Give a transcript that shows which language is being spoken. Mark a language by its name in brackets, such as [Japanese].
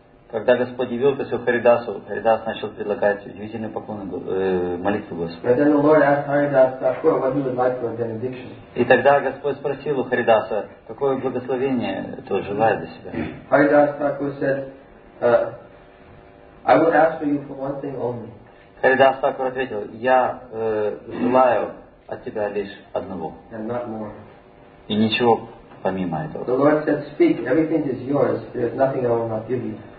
[Russian] Когда Господь явил это все Харидасу, Харидас начал предлагать удивительные поклоны, молитву Господу. [English] And then the Lord asked Haridas Thakur what he would like for a benediction. [Russian] И тогда Господь спросил у Харидаса, какое благословение то желает для себя. [English] Haridas Thakur said, I would ask for you for one thing only. [Russian] Харидас Такур ответил, я желаю от тебя лишь одного. [English] And not more. [Russian] И ничего помимо этого. [English] The Lord said, speak, everything is yours, there is nothing I will not give you.